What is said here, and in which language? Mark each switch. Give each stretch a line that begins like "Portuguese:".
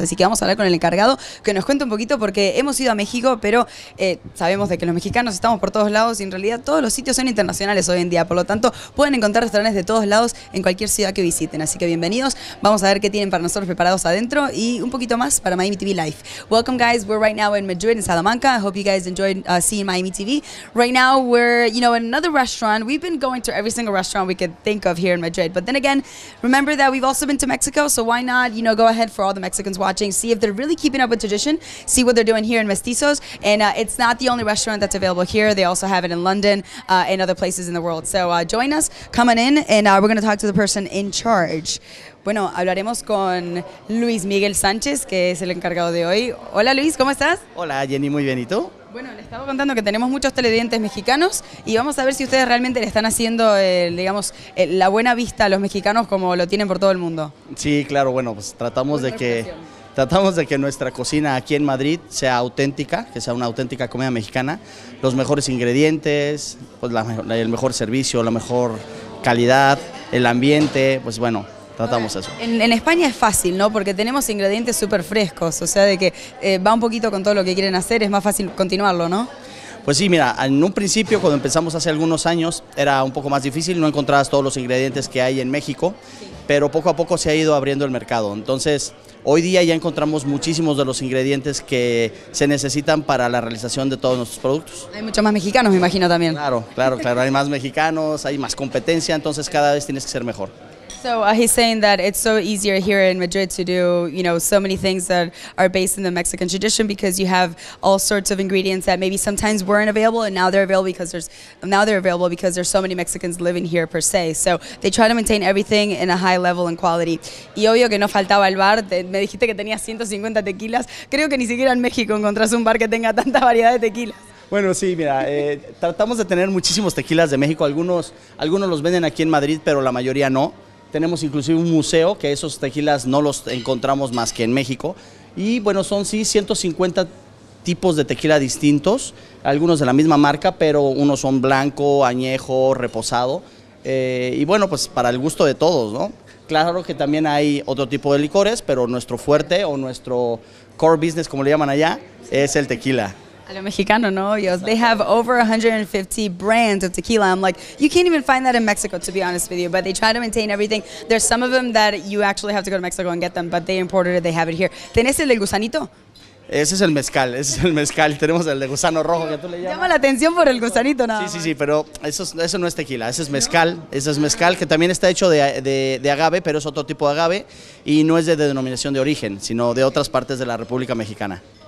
Spanish: Así que vamos a hablar con el encargado que nos cuente un poquito porque hemos ido a México, pero sabemos de que los mexicanos estamos por todos lados y en realidad todos los sitios son internacionales hoy en día. Por lo tanto, pueden encontrar restaurantes de todos lados en cualquier ciudad que visiten. Así que bienvenidos. Vamos a ver qué tienen para nosotros preparados adentro y un poquito más para Miami TV Live.
English: Welcome, guys. We're right now in Madrid, in Salamanca. I hope you guys enjoyed seeing Miami TV. Right now we're, you know, in another restaurant. We've been going to every single restaurant we could think of here in Madrid. But then again, remember that we've also been to Mexico, so why not, you know, go ahead for all the Mexicans watching, see if they're really keeping up with tradition, see what they're doing here in Mestizos. And it's not the only restaurant that's available here. They also have it in London and other places in the world. So join us, come on in, and we're going to talk to the person in charge.
Spanish: Bueno, hablaremos con Luis Miguel Sánchez, que es el encargado de hoy. Hola, Luis, ¿cómo estás? Hola, Jenny, muy bien, ¿y tú? Bueno, le estaba contando que tenemos muchos televidentes mexicanos y vamos a ver si ustedes realmente le están haciendo, la buena vista a los mexicanos como lo tienen por todo el mundo. Sí, claro, bueno, pues tratamos de que nuestra cocina aquí en Madrid sea auténtica, que sea una auténtica comida mexicana. Los mejores ingredientes, pues el mejor servicio, la mejor calidad, el ambiente, pues bueno, tratamos eso. En España es fácil, ¿no? Porque tenemos ingredientes súper frescos, o sea, de que va un poquito con todo lo que quieren hacer, es más fácil continuarlo, ¿no? Pues sí, mira, en un principio, cuando empezamos hace algunos años, era un poco más difícil, no encontrabas todos los ingredientes que hay en México, sí. Pero poco a poco se ha ido abriendo el mercado. Entonces, hoy día ya encontramos muchísimos de los ingredientes que se necesitan para la realización de todos nuestros productos. Hay muchos más mexicanos, me imagino, también. Claro, claro, claro, hay más mexicanos, hay más competencia, entonces cada vez tienes que ser mejor.
English: So he's saying that it's so easier here in Madrid to do, you know, so many things that are based in the Mexican tradition because you have all sorts of ingredients that maybe sometimes weren't available and now they're available because there's so many Mexicans living here per se. So they try to maintain everything in a high level and quality.
Spanish: Y obvio que no faltaba el bar, me dijiste que tenía 150 tequilas. Creo que ni siquiera en México encontrás un bar que tenga tanta variedad de tequilas. Bueno, sí, mira, tratamos de tener muchísimos tequilas de México. Algunos los venden aquí en Madrid, pero la mayoría no. Tenemos inclusive un museo que esos tequilas no los encontramos más que en México. Y bueno, son sí 150 tipos de tequila distintos, algunos de la misma marca, pero unos son blanco, añejo, reposado. Y bueno, pues para el gusto de todos, ¿no? Claro que también hay otro tipo de licores, pero nuestro fuerte o nuestro core business, como le llaman allá, es el tequila. A lo mexicano, ¿no?
English: They have over 150 brands of tequila. I'm like, you can't even find that in Mexico, to be honest with you. But they try to maintain everything. There's some of them that you actually have to go to Mexico and get them, but they imported it, they have it here.
Spanish: ¿Tenés el del gusanito? Ese es el mezcal, ese es el mezcal. Tenemos el de gusano rojo, que tú le llamas. Llama la atención por el gusanito, nada. Sí, sí, sí, pero eso no es tequila, ese es mezcal. ¿No? Ese es mezcal que también está hecho de agave, pero es otro tipo de agave y no es de denominación de origen, sino de otras partes de la República Mexicana.